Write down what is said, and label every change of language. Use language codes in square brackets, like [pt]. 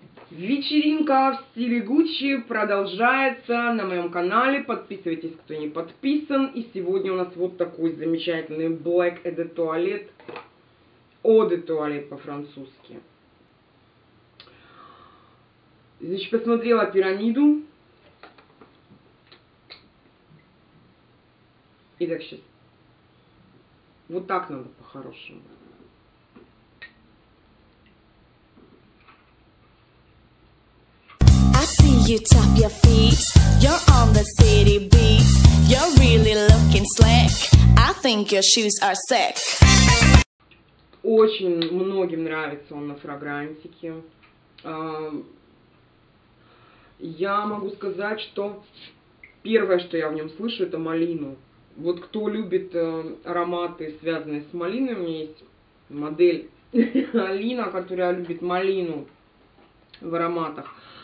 [ru] Вечеринка в стиле Гуччи продолжается на моем канале. Подписывайтесь, кто не подписан. И сегодня у нас вот такой замечательный Black Eau de Toilette. Eau de Toilette по-французски. Значит, посмотрела пирамиду. Итак, сейчас. Вот так надо по-хорошему. [en] You tap your feet, you're on the city beat. You're really looking slick. I think your shoes are sick. [ru] Очень многим нравится он на фрагрантике. Я могу сказать, что первое, что я в нем слышу, это малину. Вот кто любит ароматы, связанные с малиной, у меня есть модель Алина, которая любит малину в ароматах.